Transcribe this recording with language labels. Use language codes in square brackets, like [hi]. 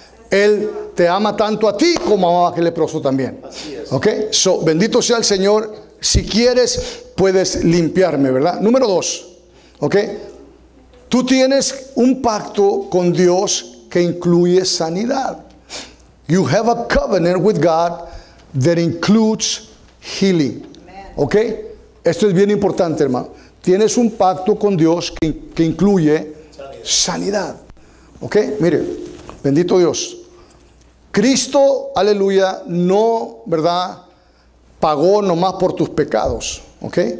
[es] Él te ama tanto a ti como a aquel leproso también. ¿Ok? So, bendito sea el Señor. Si quieres, puedes limpiarme, ¿verdad? Número dos. ¿Ok? Tú tienes un pacto con Dios que incluye sanidad. [en] You have a covenant with God that includes healing. [es] ¿Ok? Esto es bien importante, hermano. Tienes un pacto con Dios que incluye sanidad. ¿Ok? Mire, bendito Dios. Cristo, aleluya, no, ¿verdad?, pagó nomás por tus pecados. ¿Ok?